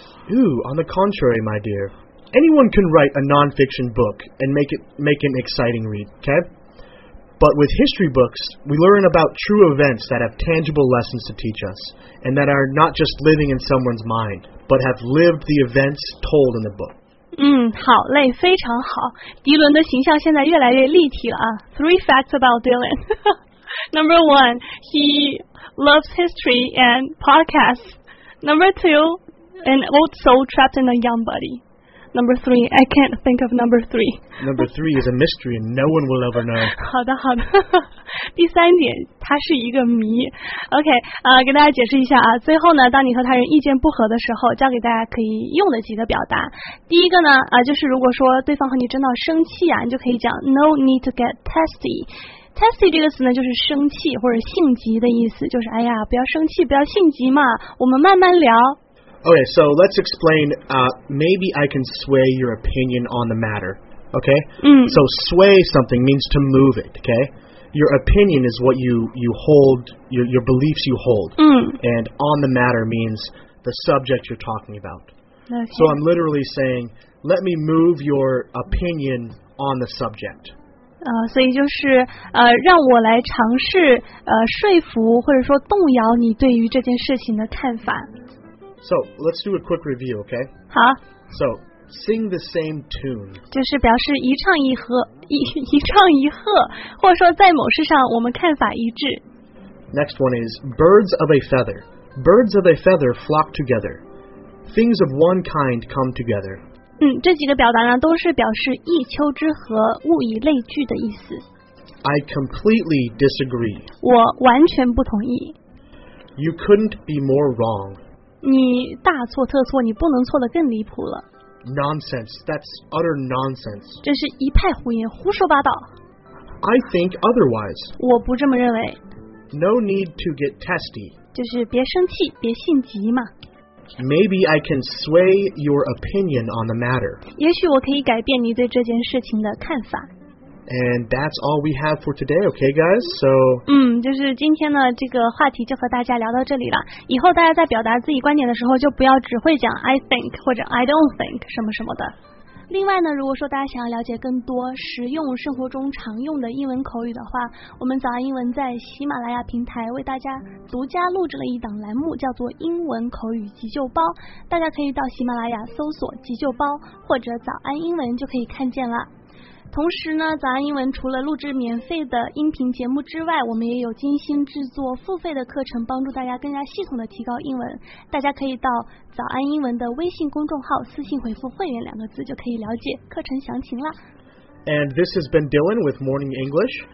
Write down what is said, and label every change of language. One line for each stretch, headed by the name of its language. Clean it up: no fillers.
English: Ooh, on the contrary, my dear. Anyone can write a nonfiction book and make an exciting read, okay? But with history books, we learn about true events that have tangible lessons to teach us. And that are not just living in someone's mind, but have lived the events told in the book.
Chinese: 好嘞，非常好。迪伦的形象现在越来越立体了啊。
English: Three facts about Dylan. Number one, he loves history and podcasts. Number two, an old soul trapped in a young body. Number three, I can't think of number three. Number three is a mystery and no one will ever know.
Chinese: 好的好的。第三点，它是一个谜。 OK,给大家解释一下啊，最后呢，当你和他人意见不合的时候，教给大家可以用的几个表达。第一个呢，就是如果说对方和你争到生气啊，你就可以讲
English: No need to get testy。
Chinese: Testy 这个词呢，就是生气或者性急的意思，就是哎呀，不要生气，不要性急嘛，我们慢慢聊。
English: Okay, so let's explain, maybe I can sway your opinion on the matter, okay?、 Mm. So sway something means to move it, okay? Your opinion is what you hold, your beliefs you hold,、 mm. and on the matter means the subject you're talking about.、 Okay. So I'm literally saying, let me move your opinion on the subject.
Chinese: 所以就是让我来尝试说服或者说动摇你对于这件事情的看法。
English: So, let's do a quick review, okay?
Chinese: 好。
English: So, sing the same tune.
Chinese: 就是表示一唱一和 一唱一和或者说在某事上我们看法一致。
English: Next one is birds of a feather. Birds of a feather flock together. Things of one kind come together.
Chinese: 嗯，这几个表达呢都是表示一丘之貉物以类聚的意思。
English: I completely disagree.
Chinese: 我完全不同意。
English: You couldn't be more wrong.
Chinese: 你大错特错，你不能错得更离谱了。
English: Nonsense, that's utter nonsense.
Chinese: 这是一派胡言，胡说八道。
English: I think otherwise.
Chinese: 我不这么认为。
English: No need to get testy.
Chinese: 就是别生气，别性急嘛。
English: Maybe I can sway your opinion on the matter.
Chinese: 也许我可以改变你对这件事情的看法。
English: And that's all we have for today, okay, guys? So,
Chinese: 就是今天呢，这个话题就和大家聊到这里了。以后大家在表达自己观点的时候，就不要只会讲 I think 或者
English: I don't think
Chinese: 什么什么的。另外呢，如果说大家想要了解更多实用生活中常用的英文口语的话，我们早安英文在喜马拉雅平台为大家独家录制了一档栏目，叫做英文口语急救包。大家可以到喜马拉雅搜索急救包或者早安英文就可以看见了。同时呢，早安英文除了录制免费的音频节目之外，我们也有精心制作付费的课程，帮助大家更加系统的提高英文。大家可以到早安英文的微信公众号私信回复会员两个字，就可以了解课程详情了。
English: And this has been Dylan with Morning English.